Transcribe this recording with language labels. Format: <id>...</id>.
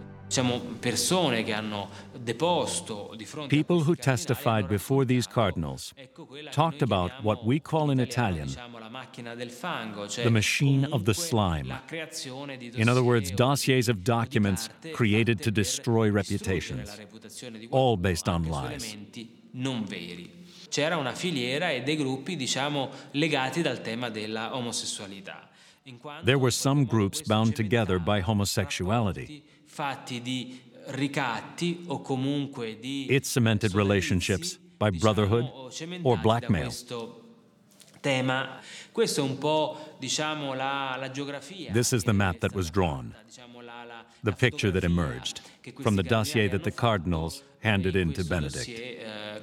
<en>People who testified before these cardinals talked about what we call in Italian the machine of the slime. In other words, dossiers of documents created to destroy reputations, all based on lies.</en> <it>C'era una filiera e dei gruppi, diciamo, legati dal tema della omosessualità.</it> <en>There were some groups bound together by homosexuality.</en> <it>Fatti di ricatti o comunque di.</it> <en>It cemented relationships by brotherhood or blackmail.</en> <it>Questo tema, questo è un po', diciamo, la geografia.</it> <en>This is the map that was drawn. The picture that emerged from the dossier that the cardinals handed in to Benedict.</en>